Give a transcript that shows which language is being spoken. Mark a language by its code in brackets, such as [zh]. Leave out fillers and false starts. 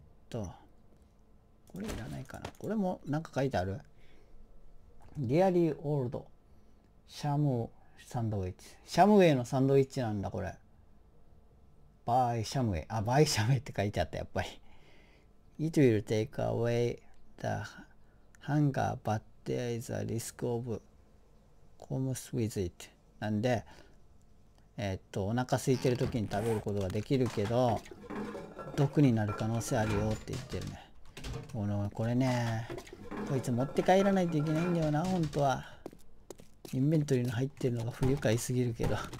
[ja] これいらないかな。これもなんか書いてある？ Dearly old シャムサンドイッチ。シャムウェイのサンドイッチなんだ、これ。バイシャムウェイ。あ、バイシャムウェイって書いてあった、やっぱり。 [en] It will take away the hunger, but there is a risk of comes with it. [ja] なんで、お腹空いてる時に食べることができるけど、毒になる可能性あるよって言ってるね。これね、こいつ持って帰らないといけないんだよな、本当は。インベントリーの入ってるのが不愉快すぎるけど。